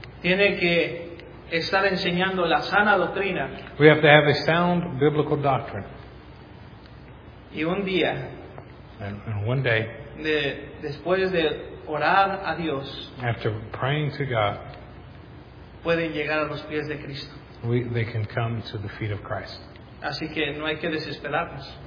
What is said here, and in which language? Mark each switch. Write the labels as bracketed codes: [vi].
[es] Tiene que estar enseñando la sana doctrina. [en] We have to have a sound biblical doctrine. [es] Y un día, [en] and one day, [es] después de orar a Dios, [en] after praying to God, [es] pueden llegar a los pies de Cristo. [en] They can come to the feet of Christ. [es] Así que no hay que desesperarnos.